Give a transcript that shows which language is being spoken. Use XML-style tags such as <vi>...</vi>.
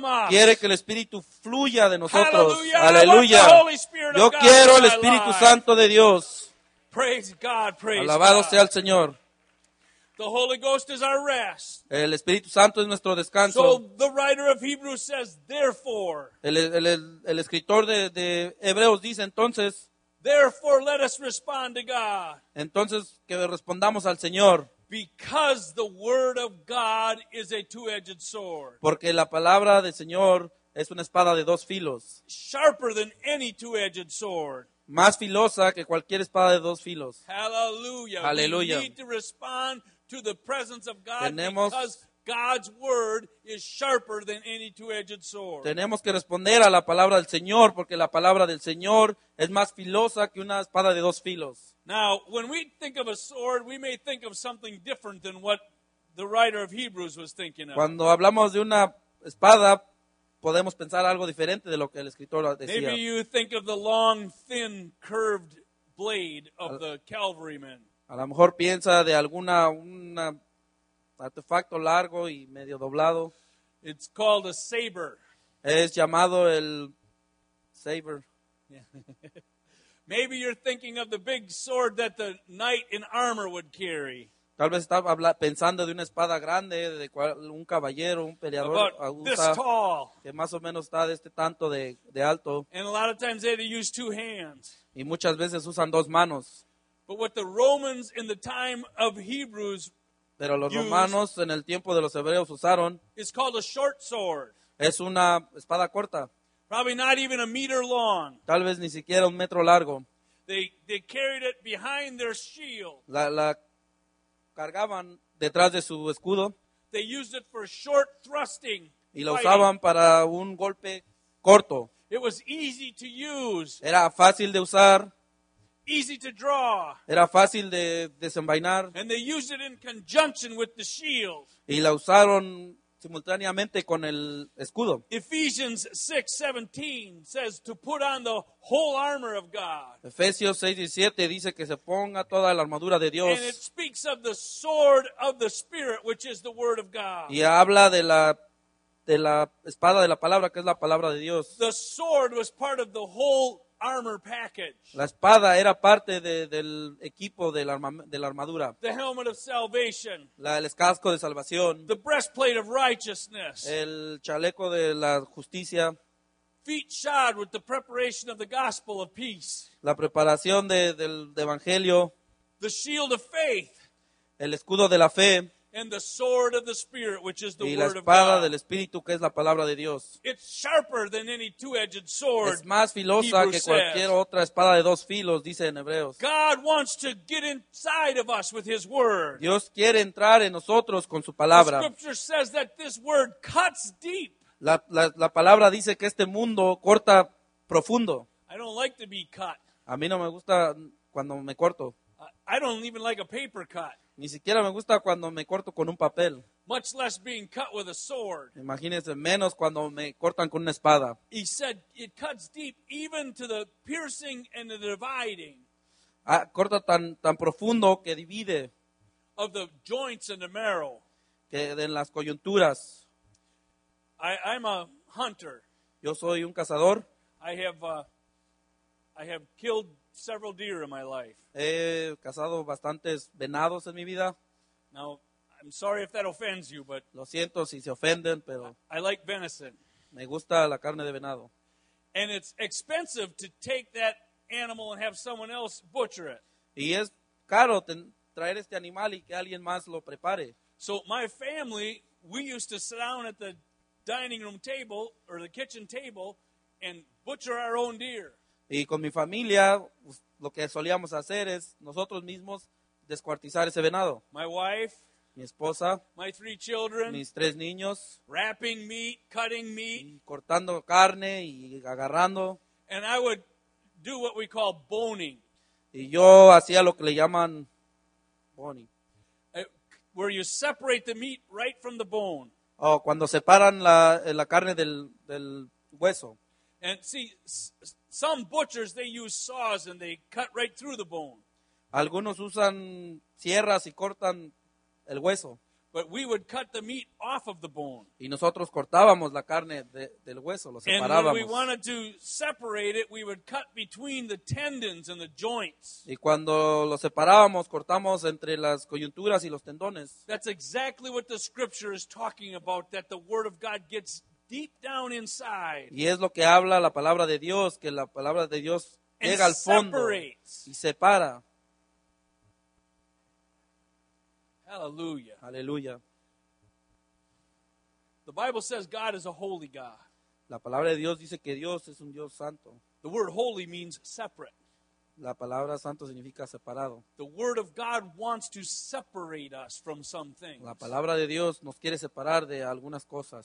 <es>Quiere que el Espíritu fluya de nosotros. Aleluya. Yo quiero el Espíritu Santo de Dios. Alabado sea el Señor.</es> <en>The Holy Ghost is our rest.</en> <es>El Espíritu Santo es nuestro descanso.</es> <en>So the writer of Hebrews says, therefore.</en> <es>El escritor de Hebreos dice entonces.</es> <en>Therefore, let us respond to God.</en> <es>Entonces que respondamos al Señor.</es> <en>Because the word of God is a two-edged sword.</en> <es>Porque la palabra del Señor es una espada de dos filos.</es> <en>Sharper than any two-edged sword.</en> <es>Más filosa que cualquier espada de dos filos.</es> <en>Hallelujah. Hallelujah. We need to respond to the presence of God.</en> <es>Tenemos,</es> <en>because God's word is sharper than any two-edged sword.</en> <es>Tenemos que responder a la palabra del Señor porque la palabra del Señor es más filosa que una espada de dos filos.</es> <en>Now, when we think of a sword, we may think of something different than what the writer of Hebrews was thinking of.</en> <es>Cuando hablamos de una espada, podemos pensar algo diferente de lo que el escritor decía.</es> <en>Maybe you think of the long, thin, curved blade of the cavalryman.</en> <es>A lo mejor piensa de alguna artefacto largo y medio doblado.</es> <en>It's called a saber.</en> <es>Es llamado el saber.</es> <en>Yeah. Maybe you're thinking of the big sword that the knight in armor would carry.</en> <es>Tal vez está pensando de una espada grande de cual un caballero, un peleador usa, que más o menos está de este tanto de alto.</es> <en>And a lot of times they use two hands.</en> <es>Y muchas veces usan dos manos.</es> <en>But what the Romans in the time of Hebrews,</en> <es>pero los romanos en el tiempo de los hebreos usaron,</es> <en>is called a short sword.</en> <es>Es una espada corta.</es> <en>Probably not even a meter long.</en> <es>Tal vez ni siquiera un metro largo.</es> <en>They carried it behind their shield.</en> <es>La cargaban detrás de su escudo.</es> <en>They used it for short thrusting.</en> <es>Y lo usaban para un golpe corto.</es> <en>It was easy to use.</en> <es>Era fácil de usar.</es> <en>Easy to draw.</en> <es>Era fácil de desenvainar.</es> <en>And they used it in conjunction with the shield.</en> <es>Y la usaron simultáneamente con el escudo.</es> <en>Ephesians 6:17 says to put on the whole armor of God.</en> <es>Efesios 6:17 dice que se ponga toda la armadura de Dios.</es> <en>And it speaks of the sword of the Spirit, which is the word of God.</en> <es>Y habla de la espada de la palabra, que es la palabra de Dios.</es> <en>The sword was part of the whole armor package.</en> <es>La espada era parte del equipo de la armadura.</es> <en>The helmet of salvation.</en> <es>El casco de salvación.</es> <en>The breastplate of righteousness.</en> <es>El chaleco de la justicia.</es> <en>Feet shod with the preparation of the gospel of peace.</en> <es>La preparación del evangelio.</es> <en>The shield of faith.</en> <es>El escudo de la fe.</es> <en>And the sword of the Spirit, which is the word of God.</en> <es>Y la espada del Espíritu, que es la palabra de Dios.</es> <en>It's sharper than any two-edged sword.</en> <es>Es más filosa que cualquier otra espada de dos filos, dice en Hebreos.</es> <en>God wants to get inside of us with His word.</en> <es>Dios quiere entrar en nosotros con su palabra.</es> <en>The scripture says that this word cuts deep.</en> <es>La palabra dice que este mundo corta profundo.</es> <en>I don't like to be cut.</en> <es>A mí no me gusta cuando me corto.</es> <en>I don't even like a paper cut.</en> <es>Ni siquiera me gusta cuando me corto con un papel.</es> <en>Much less being cut with a sword.</en> <es>Imagínense, menos cuando me cortan con una espada.</es> <en>He said it cuts deep even to the piercing and the dividing.</en> <es>Corta tan profundo que divide.</es> <en>Of the joints and the marrow.</en> <es>Que de las coyunturas.</es> <en>I'm a hunter.</en> <es>Yo soy un cazador.</es> <en>I have killed several deer in my life.</en> <es>He cazado bastantes venados en mi vida.</es> <en>Now, I'm sorry if that offends you, but</en> <es>lo siento si se ofenden, pero</es> <en>I like venison.</en> <es>Me gusta la carne de venado.</es> <en>And it's expensive to take that animal and have someone else butcher it.</en> <es>Y es caro traer este animal y que alguien más lo prepare.</es> <en>So my family, we used to sit down at the dining room table or the kitchen table and butcher our own deer.</en> <es>Y con mi familia, lo que solíamos hacer es nosotros mismos descuartizar ese venado.</es> <en>My wife,</en> <es>mi esposa,</es> <en>my three children,</en> <es>mis tres niños,</es> <en>wrapping meat, cutting meat,</en> <es>cortando carne y agarrando.</es> <en>And I would do what we call boning.</en> <es>Y yo hacía lo que le llaman boning.</es> <en>Where you separate the meat right from the bone.</en> <es>Oh, cuando separan la carne del hueso.</es> <en>And see, some butchers, they use saws and they cut right through the bone.</en> <es>Algunos usan sierras y cortan el hueso.</es> <en>But we would cut the meat off of the bone.</en> <es>Y nosotros cortábamos la carne del hueso, lo separábamos.</es> <en>And when we wanted to separate it, we would cut between the tendons and the joints.</en> <es>Y cuando lo separábamos, cortamos entre las coyunturas y los tendones.</es> <en>That's exactly what the scripture is talking about, that the word of God gets deep down inside.</en> <es>Y es lo que habla la palabra de Dios, que la palabra de Dios llega al fondo y separa.</es> <en>Hallelujah. Hallelujah. The Bible says God is a holy God.</en> <es>La palabra de Dios dice que Dios es un Dios santo.</es> <en>The word holy means separate.</en> <es>La palabra santo significa separado.</es> <en>The word of God wants to separate us from some things.</en> <es>La palabra de Dios nos quiere separar de algunas cosas.</es>